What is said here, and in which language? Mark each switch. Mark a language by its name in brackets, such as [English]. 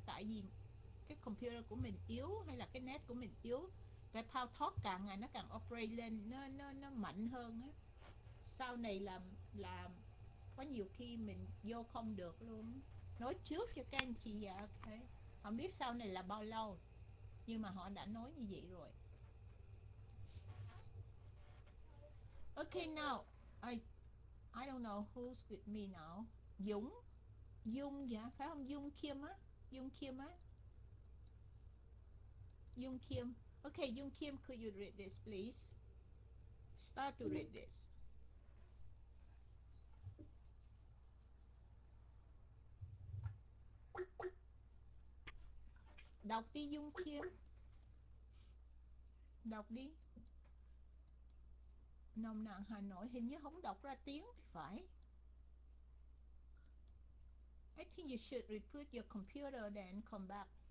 [Vietnamese] Tại vì cái computer của mình yếu hay là cái net của mình yếu, cái power talk càng ngày nó càng operate lên, nó mạnh hơn á. Sau này là có nhiều khi mình vô không được luôn. Nói trước cho các anh chị dạ, ok. Không biết sau này là bao lâu, nhưng mà họ đã nói như vậy rồi. [English] Okay, now I don't know who's with me now. [Vietnamese] Dũng, Dung dạ, phải không? Dung Kim á, Dung Kim á. [English] Yung Kim. Okay, Yung Kim, could you read this, please? Start to read this. [Vietnamese] Đọc đi Yung Kim. Đọc đi. Nồng nàn Hà Nội hình như không đọc ra tiếng, phải. [English] I think you should reboot your computer then come back.